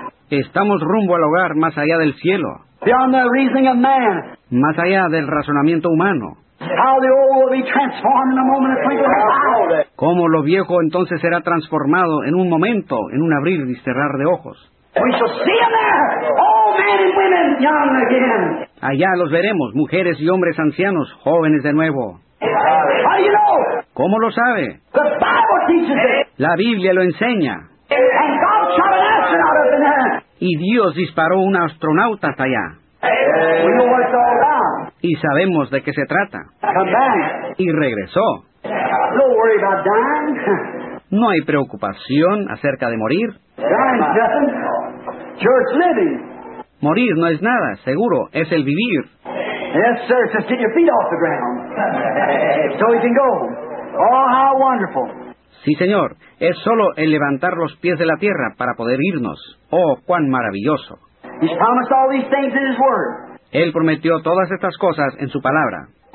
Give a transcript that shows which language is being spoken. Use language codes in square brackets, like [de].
[es] Estamos rumbo al hogar más allá del cielo. [en] Beyond the reasoning of man. [es] Más allá del razonamiento humano. [en] How the old will be transformed in a moment of twinkling of an eye. [es] Cómo lo viejo entonces será transformado en un momento, en un abrir y cerrar de ojos. [en] We shall see them there, all men and women young again. [es] Allá los veremos, mujeres y hombres ancianos, jóvenes de nuevo. [en] How do you know? [es] ¿Cómo lo sabe? [en] The Bible teaches it. [es] La Biblia lo enseña. [en] And God shot an astronaut up in there. [es] Y Dios disparó un astronauta hasta allá. [en] We know what it's all about. [es] Y sabemos de qué se trata. [en] Come back. [es] Y regresó. [en] Don't worry about dying. [es] No hay preocupación acerca de morir. [en] Dying's nothing. Sure, it's living. [es] Morir no es nada, seguro, es el vivir. [en] Yes, sir, just get your feet off the ground. So you can go. Oh, how wonderful. [es] Sí, señor, es solo el levantar los pies de la tierra para poder irnos. Oh, cuán maravilloso. [en] He's promised all these things in his word. [es] Él prometió todas estas cosas en su palabra.